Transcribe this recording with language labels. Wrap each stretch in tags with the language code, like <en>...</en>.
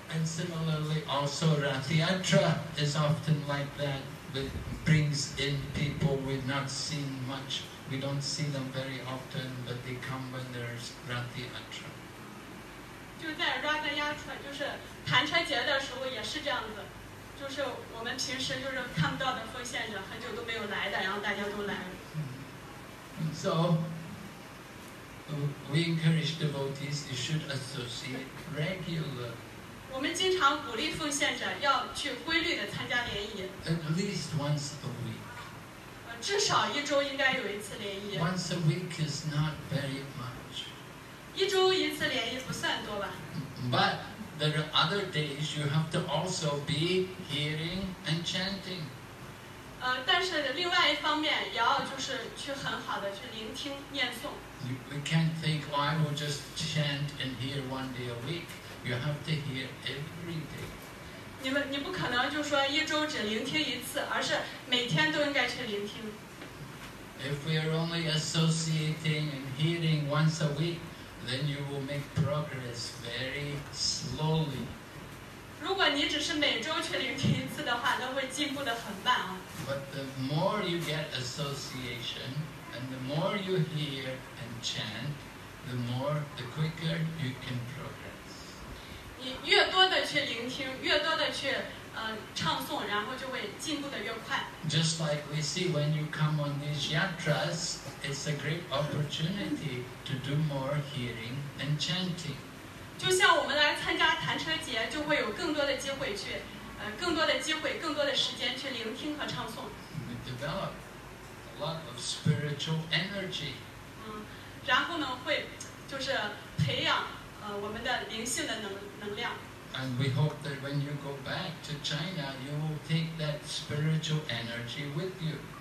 <en>And similarly, also Rathiyatra is often like that, but brings in people we've not seen much. We don't see them very often, but they come when there's Rathiyatra.</en> <zh>就在 Radha Yatra 就是盘车节的时候也是这样子，就是我们平时就是看不到的奉献者，很久都没有来的，然后大家都来了。</zh> <en>So, we encourage devotees you should associate regularly.</en> <zh>我们经常鼓励奉献者要去规律的参加联谊。</zh> <en>At least once a week.</en> <zh>至少一周应该有一次联谊。</zh> <en>Once a week is not very much.</en> <zh>一周一次联谊不算多吧。</zh> <en>But there are other days you have to also be hearing and chanting.</en> <zh>但是另外一方面也要就是去很好的去聆听念诵。</zh> <en>You can't think, oh, I will just chant and hear one day a week. You have to hear every day.</en> <zh>你不可能就说一周只聆听一次，而是每天都应该去聆听。</zh> <en>If we are only associating and hearing once a week,then you will make progress very slowly.</en> <zh>如果你只是每周去聆听一次的话，那会进步得很慢啊。</zh> <en>But the more you get association, and the more you hear and chant, the more, the quicker you can progress.</en> <zh>你越多的去聆听，越多的去唱诵, 然后就会进步得越快。</zh> <en>Just like we see when you come on these yatras, it's a great opportunity to do more hearing and chanting.</en> <zh>就像我们来参加弹车节, 就会有更多的机会去, 更多的机会, 更多的时间去聆听和唱诵。</zh> <en>We develop a lot of spiritual energy.</en> <zh>然后呢, 会, 就是培养, 我们的灵性的能量。</zh> <en>And we hope that when you go back to China, you will take that spiritual energy with you.</en>